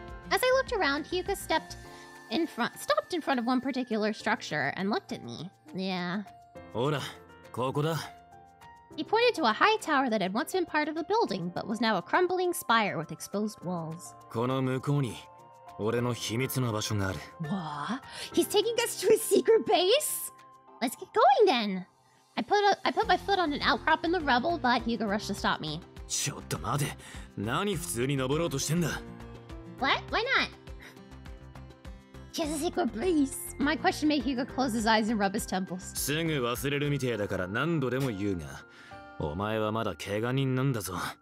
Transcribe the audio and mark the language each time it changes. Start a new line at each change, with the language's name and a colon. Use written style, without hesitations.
English: As I looked around, Hyuga stopped in front of one particular structure and looked at me. Yeah.
Japanese: ほら、ここだ。
English: He pointed to a high tower that had once been part of a building, but was now a crumbling spire with exposed walls.
Japanese: この向こうに、俺の秘密の場所がある。
English: What? He's taking us to his secret base? Let's get going then! I put my foot on an outcrop in the rubble, but Hyuga rushed to stop me.
Japanese: ちょっと待て、何普通に登ろうとしてんだ?
English: What? Why not? He has a secret base! My question made Hyuga close his eyes and rub his temples.
Japanese: すぐ忘れるみてえだから何度でも言うが。お前はまだ怪我人なんだぞ。